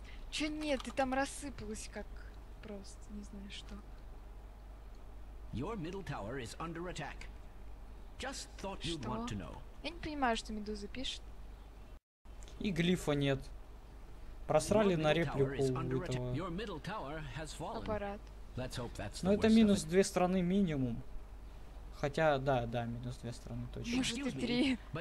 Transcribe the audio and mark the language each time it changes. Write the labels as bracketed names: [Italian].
[Russian] Че нет, ты там рассыпалась как просто, не знаю что. [English] Your middle tower is under attack. Just thought you'd want to know. [Russian] Я не понимаю, что Медуза пишет. И глифа нет. Просрали на реплику этого. Аппарат. Но это минус две стороны минимум. Хотя, да, да, минус две стороны точно. Может и три.